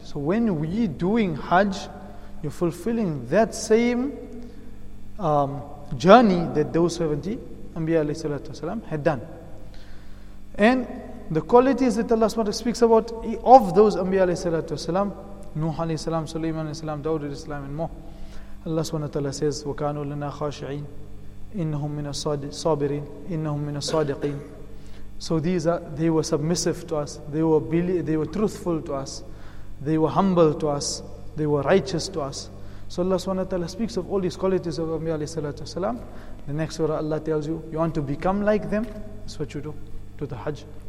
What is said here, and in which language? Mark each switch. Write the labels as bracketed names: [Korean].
[English] So when we doing Hajj, you're fulfilling that same journey that those 70 Anbiya alayhi salatu wasalam had done. And the qualities that Allah SWT speaks about of those Anbiya alayhi salatu wasalam, Nuh alayhi salam, Sulaiman alayhi salam, Dawud alayhi salam, and more. Allah SWT says, [Arabic] وَكَانُوا لَنَا خَاشِعِينَ إِنَّهُمْ مِنَ الصَّابِرِينَ إِنَّهُمْ مِنَ الصَّادِقِينَ. [English] So these are, they were submissive to us. They were truthful to us. They were humble to us. They were righteous to us. So Allah SWT speaks of all these qualities of Anbiya alayhi salatu wasalam. The next surah Allah tells you, you want to become like them? That's what you do. Do the Hajj.